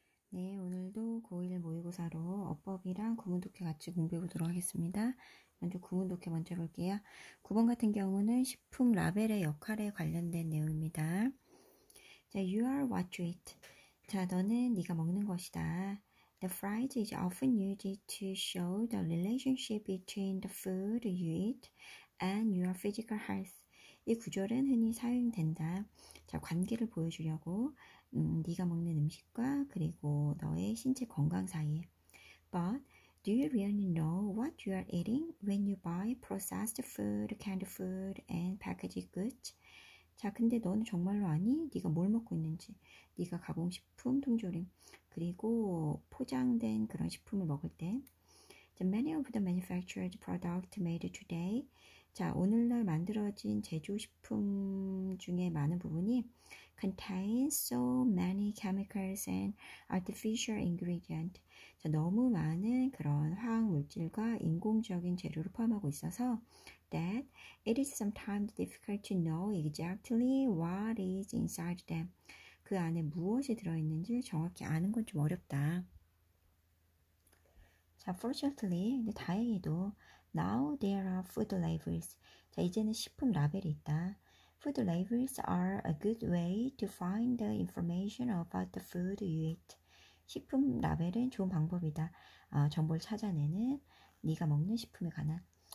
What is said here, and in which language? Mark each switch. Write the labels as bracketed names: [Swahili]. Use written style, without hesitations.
[Korean] 네, 오늘도 고1 모의고사로 어법이랑 구문독해 같이 공부해 보도록 하겠습니다. 먼저 구문독해 먼저 볼게요. 9번 같은 경우는 식품 라벨의 역할에 관련된 내용입니다. [English] 자, You are what you eat. [Korean] 자, 너는 네가 먹는 것이다. [English] The phrase is often used to show the relationship between the food you eat and your physical health. [Korean] 이 구절은 흔히 사용된다. 자, 관계를 보여주려고. 네가 먹는 음식과 그리고 너의 신체 건강 사이에. [English] But do you really know what you are eating when you buy processed food, canned food, and packaged goods? [Korean] 자, 근데 너는 정말로 아니? 네가 뭘 먹고 있는지. 네가 가공식품, 통조림, 그리고 포장된 그런 식품을 먹을 때. [English] The many of the manufactured products made today. [Korean] 자, 오늘날 만들어진 제조식품 중에 많은 부분이 [English] contain so many chemicals and artificial ingredients. [Korean] 자, 너무 많은 그런 화학 물질과 인공적인 재료를 포함하고 있어서 [English] that it is sometimes difficult to know exactly what is inside them. [Korean] 그 안에 무엇이 들어있는지 정확히 아는 건좀 어렵다. [English] 자, fortunately, [Korean] 근데 다행히도 [English] Now there are food labels. [Korean] 자, 이제는 식품 라벨이 있다. [English] Food labels are a good way to find the information about the food you eat. [Korean] 식품 라벨은 좋은 방법이다. 정보를 찾아내는 네가 먹는 식품에 관한.